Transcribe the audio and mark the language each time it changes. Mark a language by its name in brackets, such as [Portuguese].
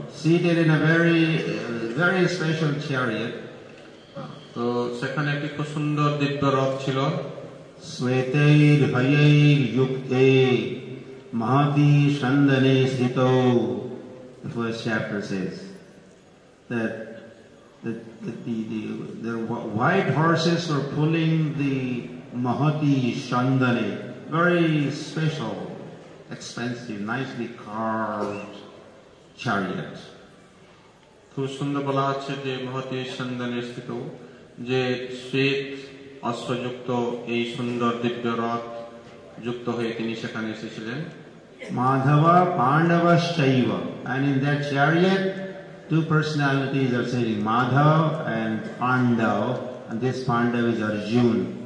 [English] Seated in a very very special chariot, [Bangla] to sekhane ekti khub sundor divya rath chilo. [Sanskrit] শ্বেতৈর ভয়ৈর যুক্তৈর মহতি সন্দনে স্থিতৌ। [English] The first chapter says that the white horses were pulling the mahati shandane, very special, expensive, nicely carved chariot. [Bangla] খুব সুন্দর বলা আছে যে মহতী সন্ধান স্থিত যে শ্বেত অশ্বযুক্ত এই সুন্দর দিব্য রথ যুক্ত হয়ে তিনি সেখানে এসেছিলেন। [Sanskrit] মাধব পাণ্ডব শৈব [English] And in that chariot two personalities are saying Madhav and Pandava and this Pandava is Arjun.